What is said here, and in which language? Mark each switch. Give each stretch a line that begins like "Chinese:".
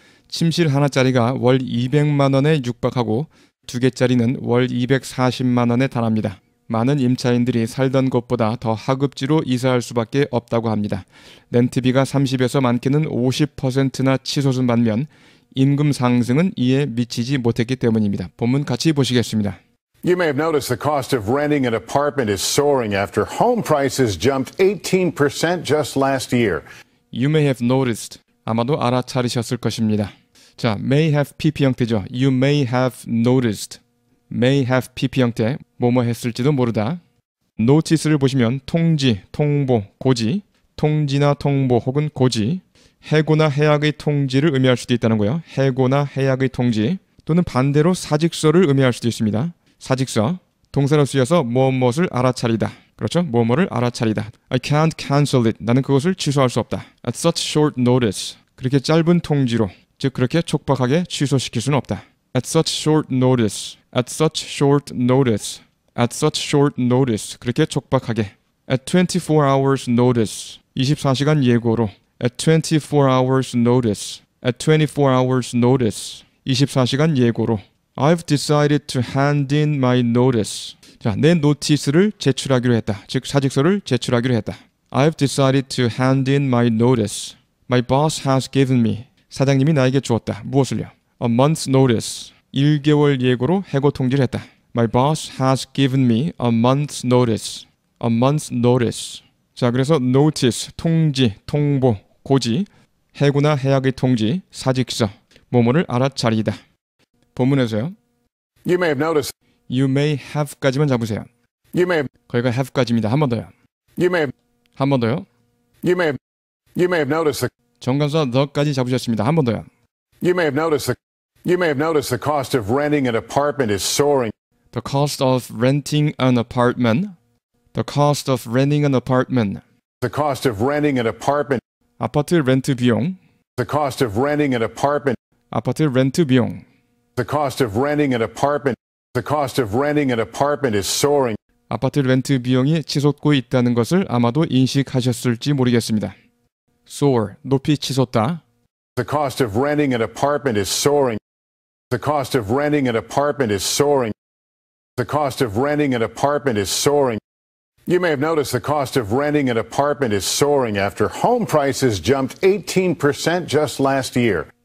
Korean: 침실 하나짜리가 월 200만 원에 육박하고 두 개짜리는 월 240만 원에 달합니다. 많은 임차인들이 살던 곳보다 더 하급지로 이사할 수밖에 없다고 합니다. 렌트비가 30에서 많게는 50%나 치솟은 반면 임금 상승은 이에 미치지 못했기 때문입니다. 본문 같이 보시겠습니다.
English: You may have noticed the cost of renting an apartment is soaring after home prices jumped 18% just last year. You may have noticed.
Korean: 아마도 알아차리셨을 것입니다. 자, may have PP 형태죠.
English: You may have noticed.
Korean: May have PP 형태, 뭐뭐 했을지도 모르다. Notice를 보시면 통지, 통보, 고지, 통지나 통보 혹은 고지, 해고나 해약의 통지를 의미할 수도 있다는 거예요. 해고나 해약의 통지, 또는 반대로 사직서를 의미할 수도 있습니다. 사직서, 동사로 쓰여서 뭐뭐를 알아차리다. 그렇죠? 뭐뭐를 알아차리다.
English: I can't cancel it.
Korean: 나는 그것을 취소할 수 없다.
English: At such short notice.
Korean: 그렇게 짧은 통지로, 즉 그렇게 촉박하게 취소시킬 수는 없다.
English: At such short notice. At such short notice. At such short notice.
Korean: 그렇게 촉박하게.
English: At 24 hours notice.
Korean: 24시간 예고로.
English: At 24 hours notice. At 24 hours notice.
Korean: 24시간 예고로.
English: I've decided to hand in my notice.
Korean: 자, 내 노티스를 제출하기로 했다. 즉 사직서를 제출하기로 했다.
English: I've decided to hand in my notice. My boss has given me.
Korean: 사장님이 나에게 주었다. 무엇을요?
English: A month's notice.
Korean: 1개월 예고로 해고 통지를 했다.
English: My boss has given me a month's notice. A month's notice.
Korean: 자, 그래서 notice, 통지, 통보, 고지, 해고나 해약의 통지, 사직서, 뭐뭐를 알아차리다. 본문에서요.
English: You may have noticed.
Korean: You may have까지만 잡으세요.
English: You may have.
Korean: 거기가 have까지입니다. 한 번 더요.
English: You may have.
Korean: 한 번 더요.
English: You may have. You may have noticed.
Korean: 정관사 the까지 잡으셨습니다. 한 번 더요.
English: You may have noticed. You may have noticed the cost of renting an apartment is soaring. The cost of renting an apartment. The cost of renting an apartment. The cost of renting an apartment.
Korean: 아파트 렌트 비용.
English: The cost of renting an apartment.
Korean: 아파트 렌트 비용.
English: The cost of renting an apartment. The cost of renting an apartment is soaring.
Korean: 아파트 렌트 비용이 치솟고 있다는 것을 아마도 인식하셨을지 모르겠습니다. Soar, 높이 치솟다.
English: The cost of renting an apartment is soaring. The cost of renting an apartment is soaring. The cost of renting an apartment is soaring. You may have noticed the cost of renting an apartment is soaring after home prices jumped 18% just last year.